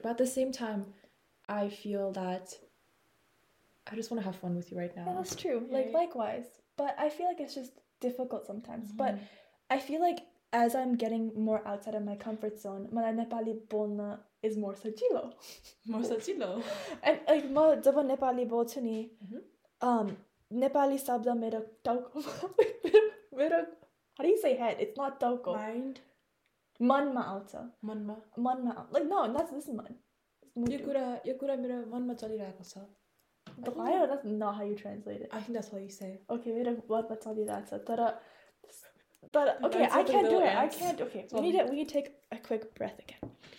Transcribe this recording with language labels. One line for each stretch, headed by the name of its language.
English: But at the same time, I feel that I just want to have fun with you right now. Yeah, that's true. Right? Like, likewise. But I feel like it's just difficult sometimes. Mm-hmm. But I feel like as I'm getting more outside of my comfort zone,
Nepali: मलाई नेपाली बोल्न
English: is more सजिलो. More सजिलो. And like
Nepali: म जब नेपाली बोल्छु नि, नेपाली शब्द मेरो टाउको मेरो
English: how do you say head? It's not टाउको. Mind.
Nepali: मनमा आउँछ. मनमा. मनमा.
English: Like no, that's this is mind.
Nepali: यो कुरा मेरो मनमा चलिरहेको छ.
English: Why? That's not how you translate it. I think that's what you say. Okay, wait a minute. What about that? But okay, I can't do it. Okay, so we need to take a quick breath again.